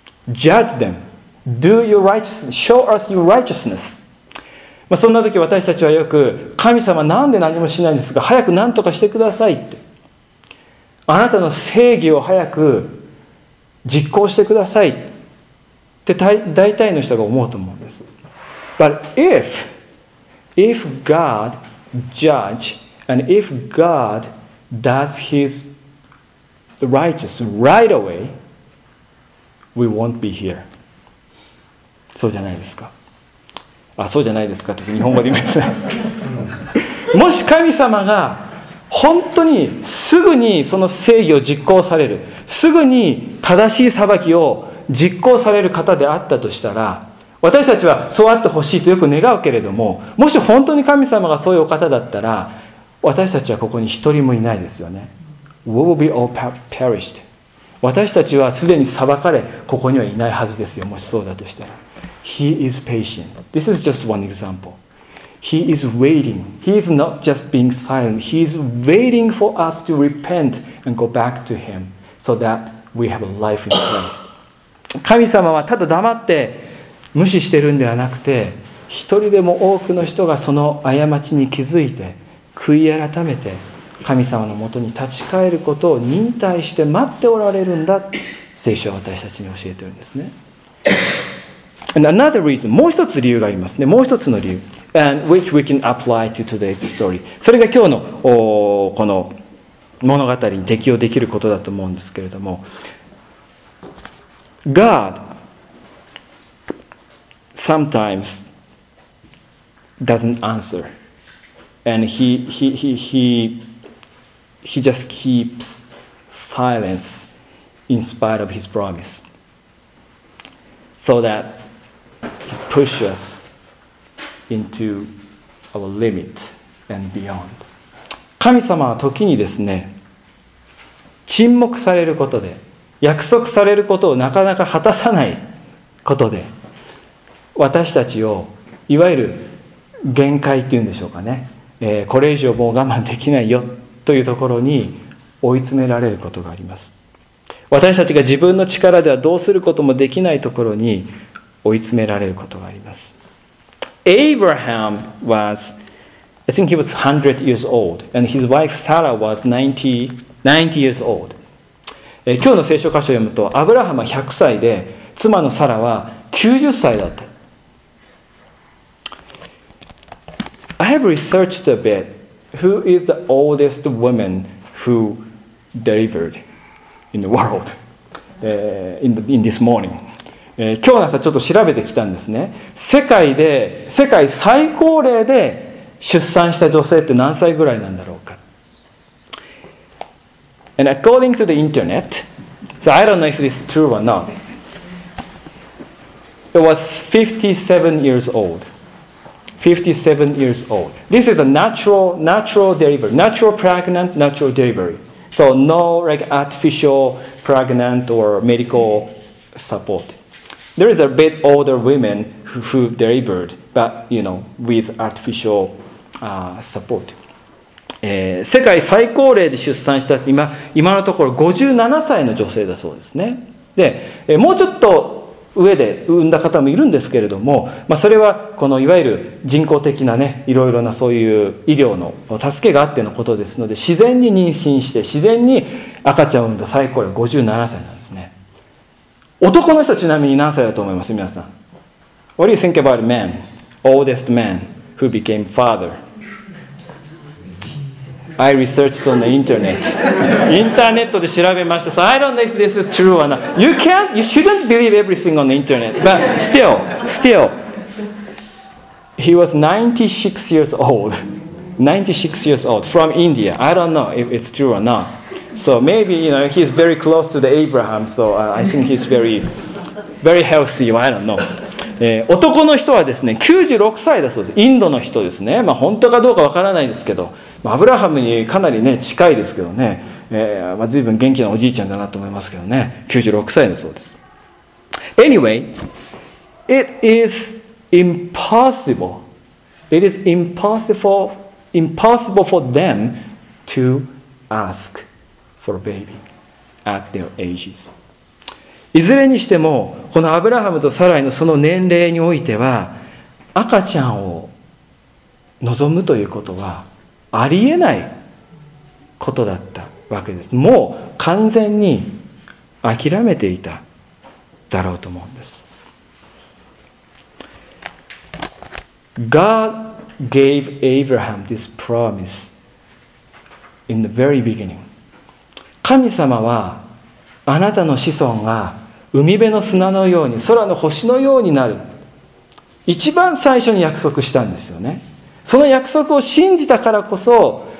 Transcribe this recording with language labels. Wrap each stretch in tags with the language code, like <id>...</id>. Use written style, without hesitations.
<en>Judge them, do your righteousness, show us your righteousness.</en> <ja>まあ、そんな時私たちはよく、神様なんで何もしないんですか、早く何とかしてくださいって、あなたの正義を早く実行してくださいって大体の人が思うと思うんです。</ja> <en>But if God judge and if God does his righteous right away, we won't be here.</en> <ja>そうじゃないですか。あ、そうじゃないですかって日本語で言いました。もし神様が本当にすぐにその正義を実行される、すぐに正しい裁きを実行される方であったとしたら、私たちはそうあってほしいとよく願うけれども、もし本当に神様がそういうお方だったら、私たちはここに一人もいないですよね。</ja> <en>We will be all perished.</en> <ja>私たちはすでに裁かれ、ここにはいないはずですよ、もしそうだとしたら。</ja> <en>He is patient. This is just one example. He is waiting. He is not just being silent. He is waiting for us to repent and go back to him so that we have a life in Christ.</en> <ja>神様はただ黙って無視してるんではなくて、一人でも多くの人がその過ちに気づいて、悔い改めて神様のもとに立ち返ることを忍耐して待っておられるんだ。聖書は私たちに教えてるんですね。</ja> <en>And another reason,</en> <ja>もう一つ理由がありますね。もう一つの理由。</ja> <en>And which we can apply to today's story.</en> <ja>それが今日のこの物語に適用できることだと思うんですけれども。</ja> <en>God sometimes doesn't answer. And he just keeps silence in spite of his promise. So thatPush us into our limit and beyond.</en> <ja>神様は時にですね、沈黙されることで、約束されることをなかなか果たさないことで、私たちをいわゆる限界っていうんでしょうかね、これ以上もう我慢できないよというところに追い詰められることがあります。私たちが自分の力ではどうすることもできないところに追い詰められることがあります。</ja> <en>Abraham was, I think he was 100 years old, and his wife Sarah was 90 years old.</en> <ja>今日の聖書箇所を読むと、アブラハムは100歳で、妻のサラは90歳だった。</ja> <en>I have researched a bit. Who is the oldest woman who delivered in the world, in this morning?</en> <ja>今日の朝ちょっと調べてきたんですね。世界最高齢で出産した女性って何歳ぐらいなんだろうか。</ja> <en>And according to the internet, so I don't know if this is true or not, it was 57 years old. 57 years old. This is a natural delivery, natural pregnant, natural delivery. So no like artificial pregnant or medical support. There is a bit older women who delivered, but you know, with artificial support.</en> <ja>世界最高齢で出産した今のところ57歳の女性だそうですね。で、もうちょっと上で産んだ方もいるんですけれども、まあ、それはこのいわゆる人工的なね、いろいろなそういう医療の助けがあってのことですので、自然に妊娠して自然に赤ちゃんを産んだ最高齢57歳なんですね。男の人ちなみに何歳だと思います皆さん。</ja> <en>What do you think about a man, oldest man who became father? I researched on the internet.</en> <ja>インターネットで調べました。</ja> <en>So I don't know if this is true or not. You shouldn't believe everything on the internet. But still, he was 96 years old. 96 years old from India. I don't know if it's true or not. So maybe, you know, he's very close to the Abraham, so I think he's very, very healthy, I don't know.</en> <ja>男の人はですね、96歳だそうです。インドの人ですね。まあ本当かどうかわからないですけど、まあ、アブラハムにかなりね、近いですけどね、まあ随分元気なおじいちゃんだなと思いますけどね、96歳だそうです。</ja> <en>Anyway, it is impossible. It is impossible for them to ask. For a baby at their ages.</en> <ja>いずれにしてもこのアブラハムとサライのその年齢においては赤ちゃんを望むということはありえないことだったわけです。もう完全に諦めていただろうと思うんです。</ja> <en>God gave Abraham this promise in the very beginning.</en> <ja>神様はあなたの子孫が海辺の砂のように空の星のようになる、一番最初に約束したんですよね。その約束を信じたからこそ</ja>